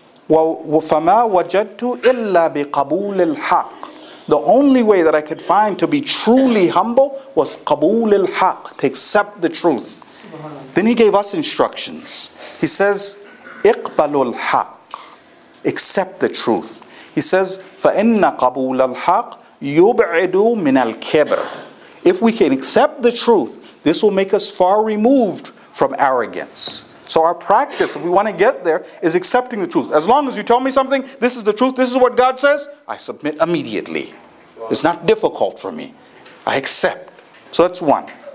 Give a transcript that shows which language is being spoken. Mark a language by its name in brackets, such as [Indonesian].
[Arabic] وَفَمَا وَجَدْتُ إِلَّا بِقَبُولِ الْحَقِّ. [English] The only way that I could find to be truly humble was [Arabic] قَبُولِ الْحَقِّ, [English] to accept the truth. Then he gave us instructions. He says, [Arabic] اِقْبَلُ الْحَقِّ, [English] accept the truth. He says, [Arabic] فَإِنَّ قَبُولَ الْحَقِّ يُبْعِدُ مِنَ الْكِبْرِ. [English] If we can accept the truth, this will make us far removed from arrogance. So our practice, if we want to get there, is accepting the truth. As long as you tell me something, this is the truth, this is what God says, I submit immediately. Wow. It's not difficult for me. I accept. So that's one.